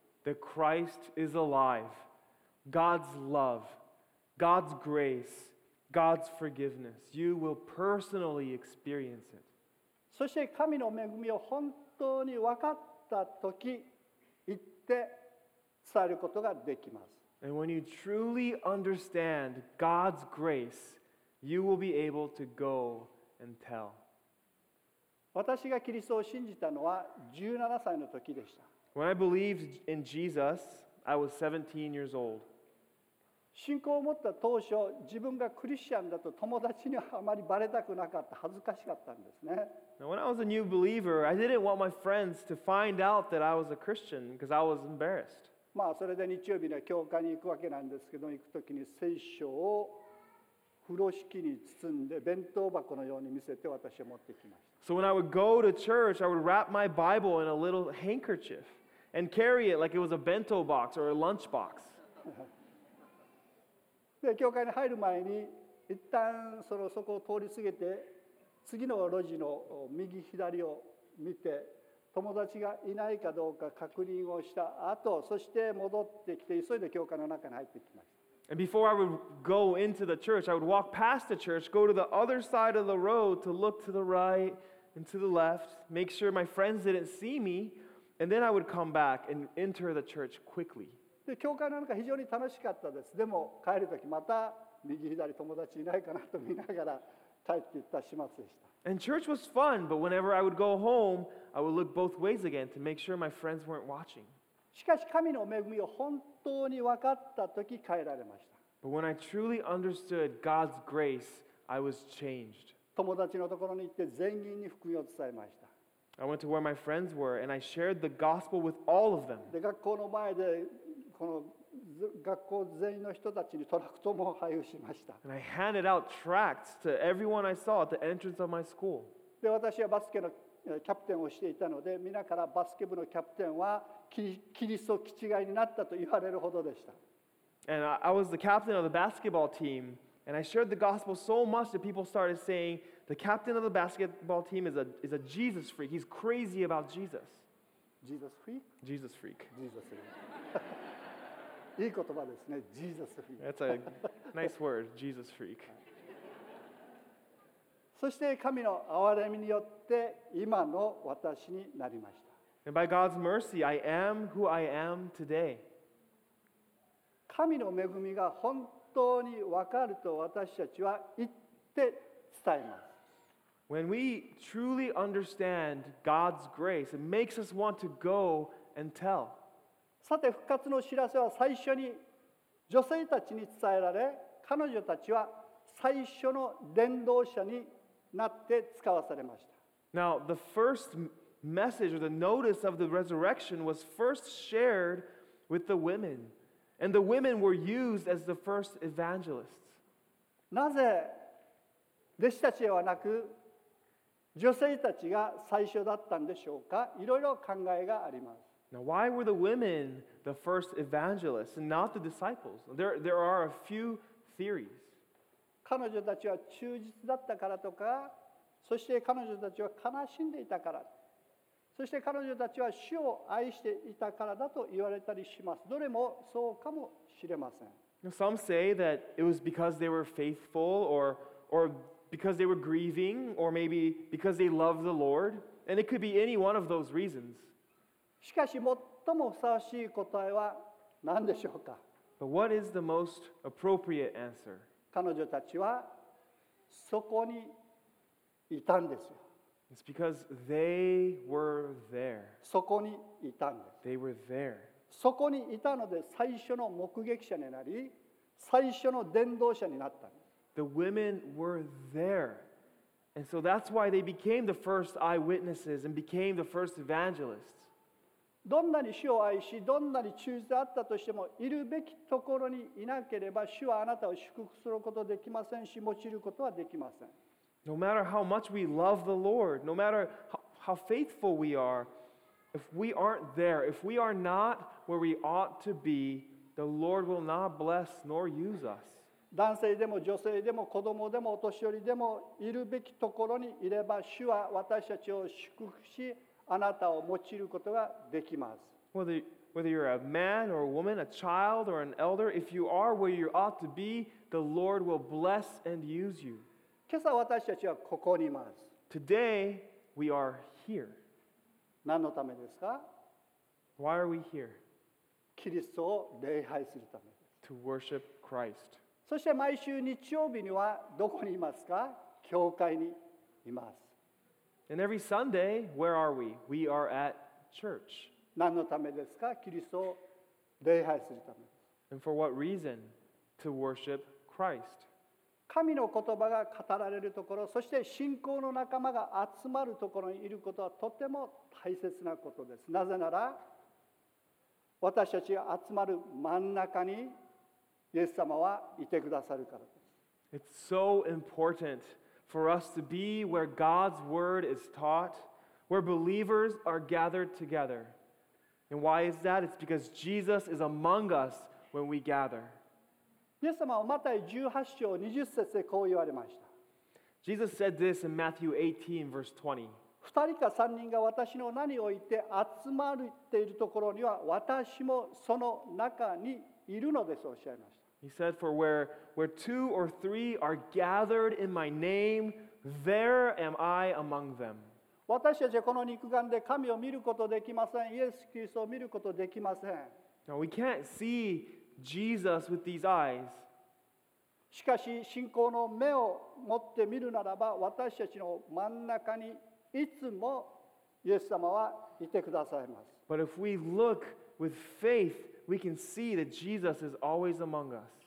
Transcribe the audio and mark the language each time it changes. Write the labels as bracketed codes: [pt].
[en] The Christ is alive. God's love, God's grace, God's forgiveness. You will personally experience it. [ja] そして神の恵みを本当にわかったとき、行って伝えることができます。 [en] And when you truly understand God's grace, you will be able to go and tell. [ja] 私がキリストを信じたのは17歳の時でした。 [en] When I believed in Jesus, I was 17 years old. [ja] 信仰を持った当初、自分がクリスチャンだと友達にあまりバレたくなかった、恥ずかしかったんですね。 [en] Now, when I was a new believer, I didn't want my friends to find out that I was a Christian because I was embarrassed. [ja] まあそれで日曜日の教会に行くわけなんですけど、行くときに聖書を風呂敷に包んで弁当箱のように見せて私は持ってきました。 [en] So when I would go to church, I would wrap my Bible in a little handkerchief and carry it like it was a bento box or a lunch box. [ja] で教会に入る前に一旦そこを通り過ぎて次の路地の右左を見て友達がいないかどうか確認をした後そして戻ってきて急いで教会の中に入ってきました。 [en] And before I would go into the church, I would walk past the church, go to the other side of the road to look to the right and to the left, make sure my friends didn't see me, and then I would come back and enter the church quickly. [ja] で、教会の中非常に楽しかったです。でも帰るときまた右左友達いないかなと見ながら帰っていった始末でした。 [en] And church was fun, but whenever I would go home, I would look both ways again to make sure my friends weren't watching. [ja] しかし神の恵みを本当に分かったとき変えられました。 [en] But when I truly understood God's grace, I was changed. [ja] 友達のところに行って全員に福音を伝えました。 [en] I went to where my friends were and I shared the gospel with all of them. [ja] で、学校の前でこの学校全員の人たちにトラクトも配布しました。 [en] And I handed out tracts to everyone I saw at the entrance of my school. [ja] で、私はバスケのキャプテンをしていたので、みんなからバスケ部のキャプテンはキリスト気違いになったと言われるほどでした。 [en] And I was the captain of the basketball team, and I shared the gospel so much that people started saying, the captain of the basketball team is a Jesus freak. He's crazy about Jesus. Jesus freak? Jesus freak. [ja] Jesus freak. いい言葉ですね。Jesus freak. [en] That's a nice word, Jesus freak. [ja] そして神の憐れみによって今の私になりました。 [en] And by God's mercy, I am who I am today. [ja] 神の恵みが本当に分かると私たちは言って伝えます。 [en] When we truly understand God's grace, it makes us want to go and tell. [ja] さて、復活の知らせは最初に女性たちに伝えられ、彼女たちは最初の伝道者になって使わされました。 [en] Now, the firstmessage or the notice of the resurrection was first shared with the women, and the women were used as the first evangelists. [ja] なぜ弟子たちではなく女性たちが最初だったんでしょうか？いろいろ考えがあります。 [en] Now, why were the women the first evangelists and not the disciples? There are a few theories. [ja] 彼女たちは忠実だったからとか、そして彼女たちは悲しんでいたから。そして彼女たちは主を愛していたからだと言われたりします。どれもそうかもしれません。 [en] Some say that it was because they were faithful or because they were grieving or maybe because they loved the Lord. And it could be any one of those reasons. [ja] しかし最もふさわしい答えは何でしょうか? [en] But what is the most appropriate answer? [ja] 彼女たちはそこにいたんですよ。 [en] It's because they were there. [ja] そこにいたんです。 [en] They were there. [ja] そこにいたので最初の目撃者になり、最初の伝道者になったんです。 [en] The women were there. And so that's why they became the first eyewitnesses and became the first evangelists. [ja] どんなに主を愛し、どんなに忠実であったとしても、いるべきところにいなければ、主はあなたを祝福することはできませんし、用いることはできません。 [en] No matter how much we love the Lord, no matter how faithful we are, if we aren't there, if we are not where we ought to be, the Lord will not bless nor use us. [ja] 男性でも女性でも子供でもお年寄りでもいるべきところにいれば主は私たちを祝福しあなたを用いることができます。 [en] Whether you're a man or a woman, a child or an elder, if you are where you ought to be, the Lord will bless and use you. [ja] 今朝私たちはここにいます。 [en] Today, we are here. [ja] 何のためですか? [en] Why are we here? [ja] キリストを礼拝するためです。 [en] To worship Christ. [ja] そして毎週日曜日にはどこにいますか？教会にいます。 [en] And every Sunday, where are we? We are at church. [ja] 何のためですか？キリストを礼拝するため。 [en] And for what reason? To worship Christ. [ja] 神の言葉が語られるところ、そして信仰の仲間が集まるところにいることはとても大切なことです。なぜなら、私たちが集まる真ん中にイエス様はいてくださるからです。 [en] It's so important for us to be where God's word is taught, where believers are gathered together. And why is that? It's because Jesus is among us when we gather. [ja] イエス様はマタイ18章20節でこう言われました。 [en] Jesus said this in Matthew 18, verse 20. [ja] 二人か三人が私の名において集まっているところには私もその中にいるのですとおっしゃいました。 [en] He said, for where two or three are gathered in my name, there am I among them. [ja] 私たちはこの肉眼で神を見ることできません。イエス・キリストを見ることできません。 [en] Now we can't see Jesus with these eyes. [ja] しかし信仰の目を持って見るならば私たちの真ん中にいつもイエス様はいてくださいます。 [en] But if we look with faith, we can see that Jesus is always among us.